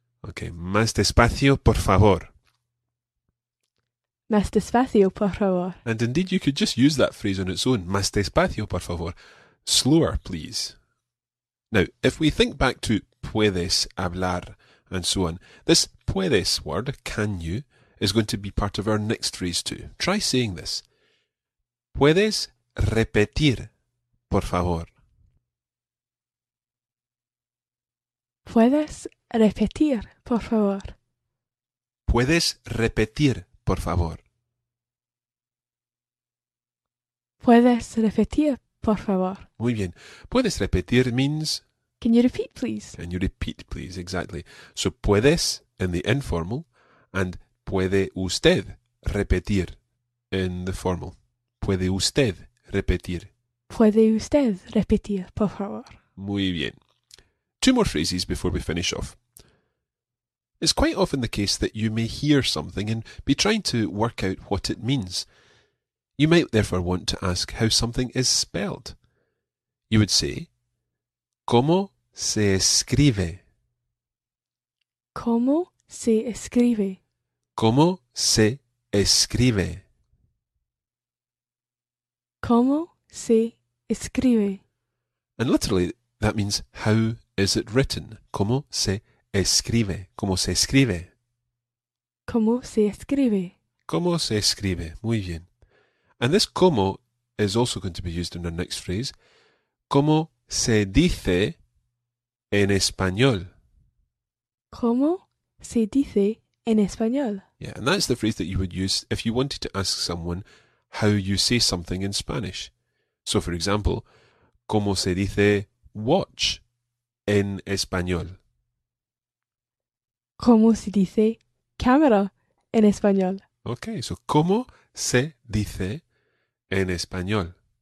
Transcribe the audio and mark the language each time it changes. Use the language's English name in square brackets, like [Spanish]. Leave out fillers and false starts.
[Spanish] Okay, más despacio, por favor. Más despacio, por favor. [English] And indeed, you could just use that phrase on its own. [Spanish] Más despacio, por favor. [English] Slower, please. Now, if we think back to [Spanish] puedes hablar [English] and so on, this puedes word, can you, is going to be part of our next phrase too. Try saying this. [Spanish] Puedes repetir, por favor. Puedes repetir, por favor. Puedes repetir, por favor. Puedes repetir, por favor. Muy bien. Puedes repetir means... [English] Can you repeat, please? Can you repeat, please? Exactly. So, puedes in the informal and [Spanish] puede usted repetir [English] in the formal. [Spanish] Puede usted repetir. Puede usted repetir, por favor. Muy bien. [English] Two more phrases before we finish off. It's quite often the case that you may hear something and be trying to work out what it means. You might therefore want to ask how something is spelled. You would say, [Spanish] ¿Cómo se escribe? ¿Cómo se escribe? ¿Cómo se escribe? ¿Cómo se escribe? [English] And literally, that means, how is it written? [Spanish] ¿Cómo se escribe? ¿Cómo se escribe? ¿Cómo se escribe? ¿Cómo se escribe? Muy bien. [English] And this [Spanish] ¿cómo? [English] Is also going to be used in our next phrase. [Spanish] ¿Cómo se dice en español? ¿Cómo se dice en español? [English] Yeah, and that's the phrase that you would use if you wanted to ask someone how you say something in Spanish. So, for example, [Spanish] ¿cómo se dice watch en español? ¿Cómo se dice cámara en español? Okay, so ¿cómo se dice en español?